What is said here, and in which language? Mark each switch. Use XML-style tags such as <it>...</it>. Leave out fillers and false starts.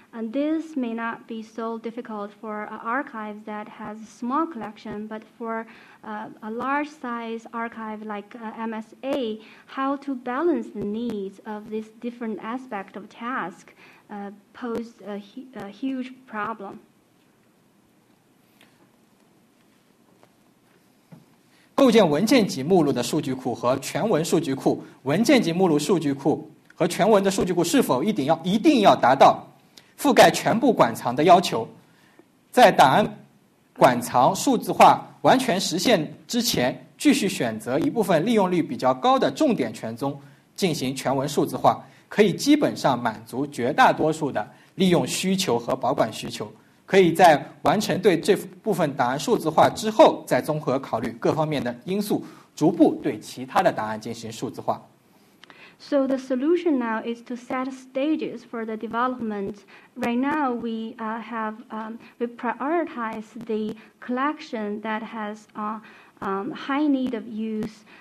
<en>And this may not be so difficult for an archive that has a small collection, but for a large size archive like MSA, how to balance the needs of this different aspect of task posed a huge problem.</en> <zh>构建文件级目录的数据库和全文数据库，文件级目录数据库和全文的数据库是否一定要达到覆盖全部馆藏的要求？在档案馆藏数字化完全实现之前，继续选择一部分利用率比较高的重点全宗进行全文数字化，可以基本上满足绝大多数的利用需求和保管需求。可以在完成对这部分档案数字化之后，再综合考虑各方面的因素，逐步对其他的档案进行数字化。</zh> <en>So the solution now is to set stages for the development. Right now, we have we prioritize the collection that has high need of use</en>